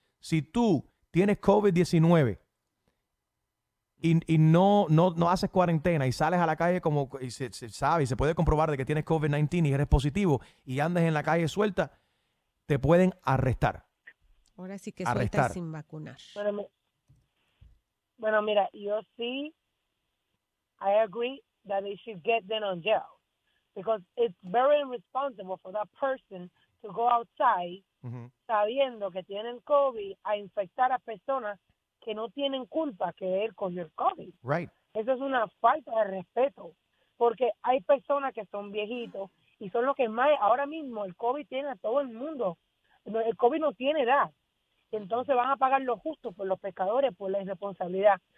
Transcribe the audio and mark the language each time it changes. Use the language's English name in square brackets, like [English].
[Spanish] Si tú tienes COVID-19 y no haces cuarentena y sales a la calle como y se sabe y se puede comprobar de que tienes COVID-19 y eres positivo y andes en la calle suelta, te pueden arrestar. Ahora sí que arrestar. Suelta sin vacunar. Bueno, mira, yo sí, [English] I agree that they should get them on jail because it's very irresponsible for that person to go outside. Uh-huh. [Spanish] Sabiendo que tienen COVID, a infectar a personas que no tienen culpa que él cogió el COVID. [English] Right. [Spanish] Eso es una falta de respeto, porque hay personas que son viejitos y son los que más, ahora mismo el COVID tiene a todo el mundo. El COVID no tiene edad. Entonces van a pagar lo justo por los pecadores, por la irresponsabilidad.